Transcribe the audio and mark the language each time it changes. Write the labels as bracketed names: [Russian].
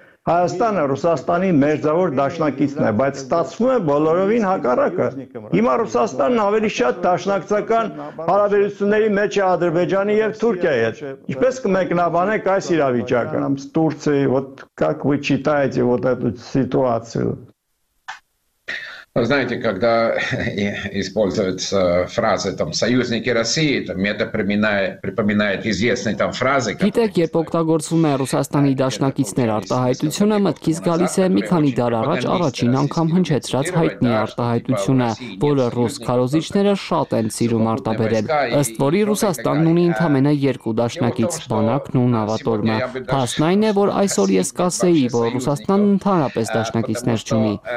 [Armenian] Հայաստանը Ռուսաստանի մերձավոր դաշնակիցն է, բայց ստացվում է բոլորովին հակառակը։ Հիմա Ռուսաստանն ավելի շատ դաշնակցական հարաբերությունների մեջ է Ադրբեջանի եւ Թուրքիայի հետ։ Ինչպես կմեկնաբանեք այս իրավիճակը։ Ամս Թուրքիայի, [Russian] вот как вы читаете вот эту ситуацию? Вы знаете, когда используется фраза там союзники России, то мне это припоминает известные там фразы, [Armenian] как Итак, երբ օգտագործվում է Ռուսաստանի դաշնակիցներ արտահայտությունը, մտքից գալիս է մի քանի դար առաջ առաջին անգամ հնչեցրած հայտնի արտահայտությունը, որը ռուս քարոզիչները շատ են սիրում արտաբերել, ըստ որի Ռուսաստանն ունի ընդամենը երկու դաշնակից՝ բանակն ու նավատորմը։ Փաստն այն է, որ այսօր ես կասեի, որ Ռուսաստանն ընդհանրապես դաշնակիցներ չունի,